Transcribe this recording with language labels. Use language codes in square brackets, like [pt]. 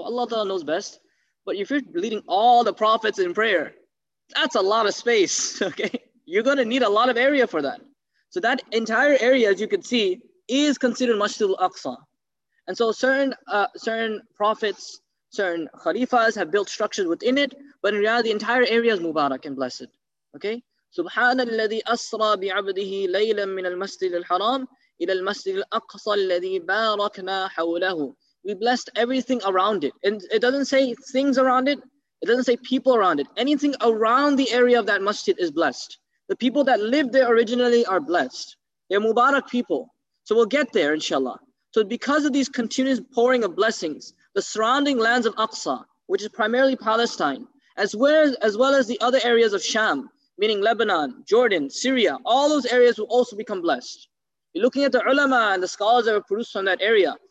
[en] Allah Ta'ala knows best. But if you're leading all the prophets in prayer, that's a lot of space, okay? You're going to need a lot of area for that. So that entire area, as you can see, is considered Masjid al-Aqsa. And so certain prophets, certain khalifas have built structures within it. But in reality, the entire area is Mubarak and blessed, okay? [ar] سبحان الذي أسرى بعبده ليلا من المسجد الحرام إلى المسجد الأقصى الذي باركنا حوله. [en] We blessed everything around it. And it doesn't say things around it. It doesn't say people around it. Anything around the area of that masjid is blessed. The people that lived there originally are blessed. They're Mubarak people. So we'll get there, inshallah. So because of these continuous pouring of blessings, the surrounding lands of Aqsa, which is primarily Palestine, as well as the other areas of Sham, meaning Lebanon, Jordan, Syria, all those areas will also become blessed. You're looking at the ulama and the scholars that were produced from that area.